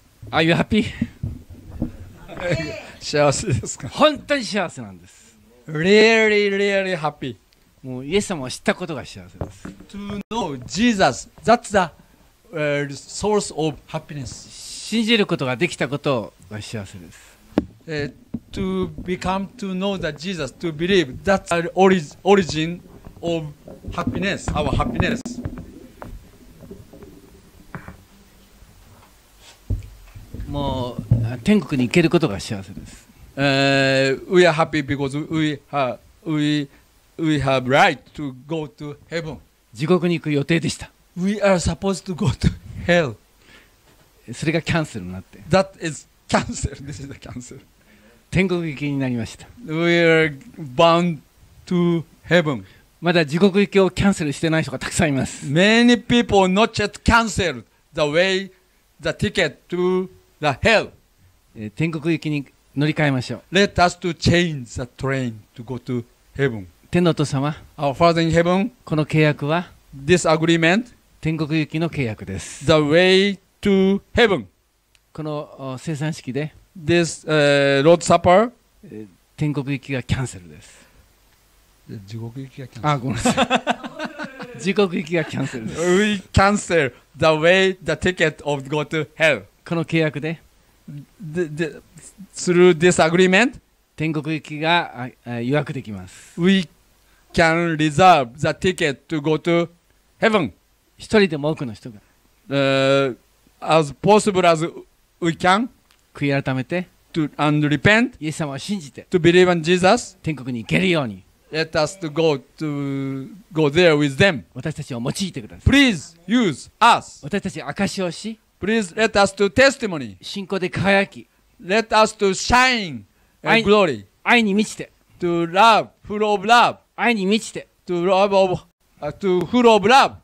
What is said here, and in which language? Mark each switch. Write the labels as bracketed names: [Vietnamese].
[English] Are you happy? [Japanese] 幸せですか。本当に幸せなんです。 [English] Really, really happy. [Japanese] もうイエス様を知ったことが幸せです。 [English] To know Jesus, that's the source of happiness. [Japanese] 信じることができたことが幸せです。 [English] To become to know that Jesus, to believe, that's the origin of happiness, our happiness. [Japanese] もう天国に行けることが幸せです。 [English] We are happy because we have right to go to heaven. [Japanese] 地獄に行く予定でした。 [English] We are supposed to go to hell. [Japanese] それがキャンセルになって。 [English] That is cancel. This is the cancel. [Japanese] 天国行きになりました。 [English] We are bound to heaven. [Japanese] まだ地獄行きをキャンセルしてない人がたくさんいます。 [English] Many people not yet canceled the way the ticket to The hell. [Japanese] 天国行きに乗り換えましょう。 [English] Let us to change the train to go to heaven. [Japanese] 天のお父様、 [English] Our Father in heaven. [Japanese] この契約は、 [English] This agreement. [Japanese] 天国行きの契約です。 [English] The way to heaven. [Japanese] この聖餐式で、 [English] This Lord's Supper. [Japanese] 天国行きがキャンセルです。地獄行きがキャンセル。ごめんなさい。地獄行きがキャンセルです。 [English] We cancel the way the ticket of go to hell. [Japanese] この契約で [English] through this agreement [Japanese] 天国行きが予約できます。 [English] We can reserve the ticket to go to heaven [Japanese] 一人でも多くの人が [English] as possible as we can [Japanese] 悔い改めて [English] to, and repent [Japanese] イエス様を信じて [English] to believe in Jesus [Japanese] 天国に行けるように [English] let us to go to go there with them [Japanese] 私たちを用いてください。 [English] Please use us [Japanese] 私たち証しをし [English] Please let us to testimony. [Japanese] 信仰で輝き。 [English] Let us to shine and glory. [Japanese] 愛に満ちて。 [English] To love, full of love. [Japanese] 愛に満ちて。 [English] To love of, to full of love.